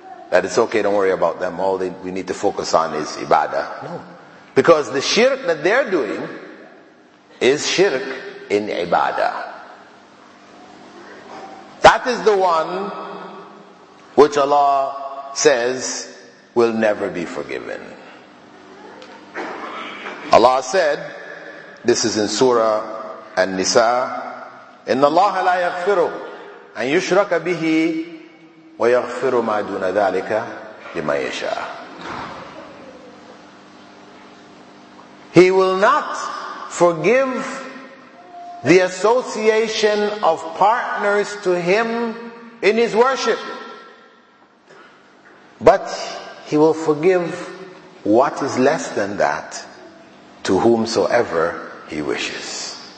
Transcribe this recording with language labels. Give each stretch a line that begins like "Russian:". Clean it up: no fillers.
English: That it's okay, don't worry about them. All we need to focus on is ibadah. No. Because the shirk that they're doing is shirk in ibadah. That is the one which Allah says will never be forgiven. Allah said, this is in Surah An-Nisa,
Arabic: إِنَّ اللَّهَ لَا يَغْفِرُ أَنْ يُشْرَكَ بِهِ وَيَغْفِرُ مَا دُونَ ذَلِكَ لِمَنْ يَشَاءُ.
English: He will not forgive the association of partners to him in his worship. But he will forgive what is less than that to whomsoever he wishes.